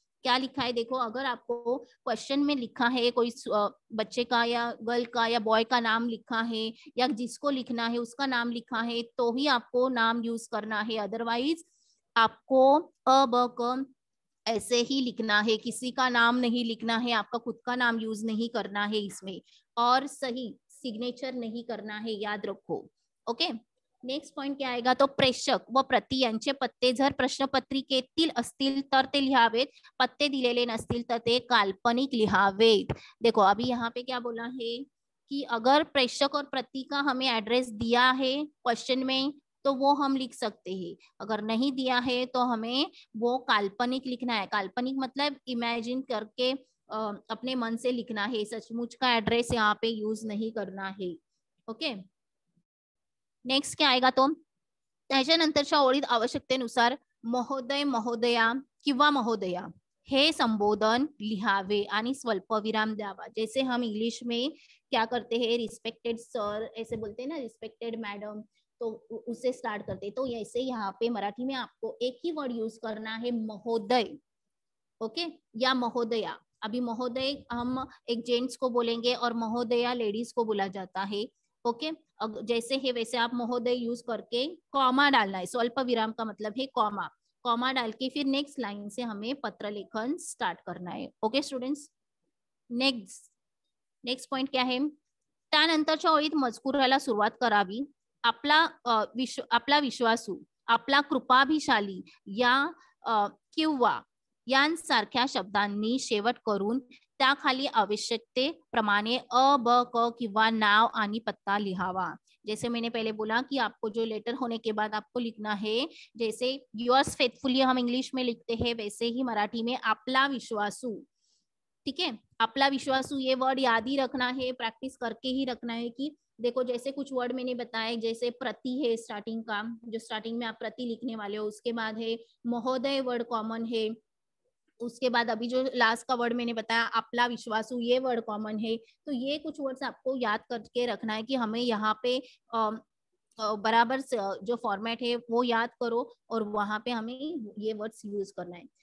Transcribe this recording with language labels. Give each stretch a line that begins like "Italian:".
Hindi: क्या लिखा है देखो, अगर आपको क्वेश्चन में लिखा है कोई बच्चे का या गर्ल का या बॉय का नाम लिखा है, या जिसको लिखना है उसका नाम लिखा है, तो ही आपको नाम यूज करना है, अदरवाइज आपको अ ब क ऐसे ही लिखना है, किसी का नाम नहीं लिखना है, आपका खुद का नाम यूज नहीं करना है इसमें, और सही सिग्नेचर नहीं करना है, याद रखो। ओके, नेक्स्ट पॉइंट क्या आएगा, तो
Marathi: प्रेषक व प्रति यांचे पत्ते जर प्रश्न पत्रिकेतील असतील तर ते लिहावेत, पत्ते दिलेले नसतील तर ते काल्पनिक लिहावेत।
Hindi: देखो, अभी यहाँ पे क्या बोला है कि अगर प्रेषक और प्रति का हमें एड्रेस दिया है क्वेश्चन में तो वो हम लिख सकते हैं, अगर नहीं दिया है तो हमें वो काल्पनिक लिखना है, काल्पनिक मतलब इमेजिन करके अपने मन से लिखना है, सचमुच का एड्रेस यहाँ पे यूज नहीं करना है। ओके, नेक्स्ट क्या आएगा, तो
Marathi: त्याच्यानंतरच्या ओळीत आवश्यकतेनुसार महोदय महोदया किंवा महोदया हे संबोधन लिहावे आणि स्वल्पविराम द्यावा।
Hindi: जैसे हम इंग्लिश में क्या करते हैं, रिस्पेक्टेड सर ऐसे बोलते हैं ना, रिस्पेक्टेड मैडम, तो उसे स्टार्ट करते हैं, तो ऐसे यहाँ पे मराठी में आपको एक ही वर्ड यूज करना है, महोदय। ओके, या महोदया, अभी महोदय हम एक जेंट्स को बोलेंगे और महोदया लेडीज को बोला जाता है। ओके, अब जैसे है वैसे आप महोदय यूज करके कॉमा डालना है, स्वल्प विराम का मतलब है कॉमा, कॉमा डाल के फिर नेक्स्ट लाइन से हमें पत्र लेखन स्टार्ट करना है। Okay students, next next point क्या है,
Marathi: त्यानंतरच्या ओळीत मजकुराला सुरुवात करावी, आपला विश्वासू, आपला कृपाभिशाली या किंवा यांसारख्या शब्दांनी शेवट करून त्याखाली आवश्यकतेप्रमाणे अ ब क किंवा नाव आणि पत्ता लिहावा।
Hindi: जैसे मैंने पहले बोला कि आपको जो लेटर होने के बाद आपको लिखना है, जैसे युअर्स फेथफुली हम इंग्लिश में लिखते हैं, वैसे ही मराठी में आपला विश्वासू। ठीक है, आपला विश्वासू ये वर्ड याद ही रखना है, प्रैक्टिस करके ही रखना है, कि देखो जैसे कुछ वर्ड मैंने बताए, जैसे प्रति है स्टार्टिंग का, जो स्टार्टिंग में आप प्रति लिखने वाले हो, उसके बाद है महोदय वर्ड कॉमन है, उसके बाद अभी जो लास्ट का वर्ड मैंने बताया अपला विश्वासु, ये वर्ड कॉमन है, तो ये कुछ वर्ड्स आपको याद करके रखना है, कि हमें यहाँ पे बराबर जो फॉर्मेट है वो याद करो और वहां पे हमें ये वर्ड्स यूज करना है।